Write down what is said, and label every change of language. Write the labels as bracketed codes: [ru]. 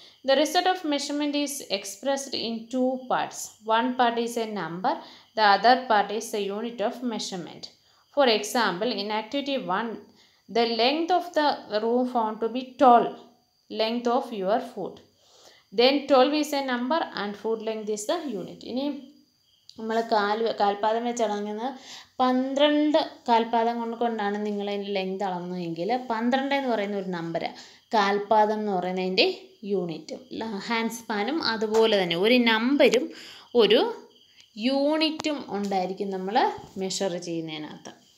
[en] The result of measurement is expressed in two parts, one part is a number, the other part is a unit of measurement. For example, in activity one the length of the room found to be twelve length of your foot. Then 12 is a number and foot length is the unit. [ml] ഇനി നമ്മൾ കാൽപാദം വെച്ച് അളങ്ങുന്നത് 12 കാൽപാദം കൊണ്ടാണ് നിങ്ങൾ അതിൻ്റെ length അളന്നതെങ്കിൽ 12 എന്ന് പറയുന്ന ഒരു നമ്പര് കാൽപാദം എന്ന് പറയുന്നതിൻ്റെ യൂണിറ്റും ഹാൻഡ് സ്പാനും അതുപോലെ തന്നെ ഒരു നമ്പരും ഒരു യൂണിറ്റും ഉണ്ടായിരിക്കും നമ്മൾ മെഷർ ചെയ്യുന്നതിനകത്ത്.